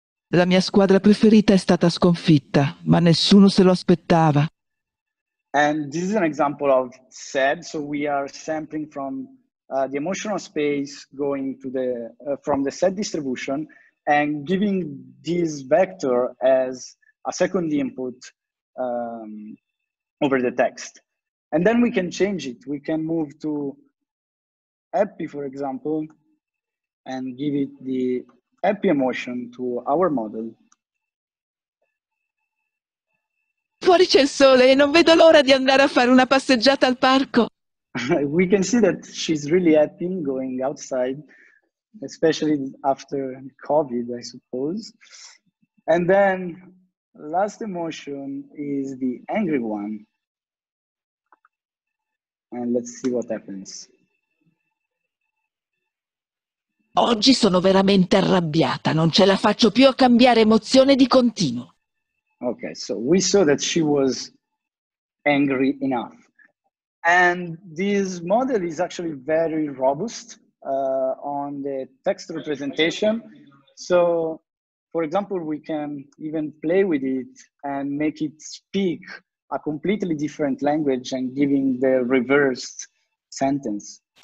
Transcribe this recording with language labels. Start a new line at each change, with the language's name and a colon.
Italian: La mia squadra preferita è stata sconfitta, ma nessuno se lo aspettava.
English: And this is an example of sad, so we are sampling from the emotional space going to the, from the sad distribution, and giving this vector as a second input over the text. And then we can change it. We can move to happy, for example, and give it the happy emotion to our model.
Italian: Fuori c'è il sole e non vedo l'ora di andare a fare una passeggiata al parco.
English: We can see that she's really happy going outside, especially after COVID, I suppose. And then last emotion is the angry one. And let's see what happens.
Italian: Oggi sono veramente arrabbiata, non ce la faccio più a cambiare emozione di continuo.
English: Okay, so we saw that she was angry enough. And this model is actually very robust on the text representation. So for example, we can even play with it and make it speak a completely different language and giving the reversed sentence.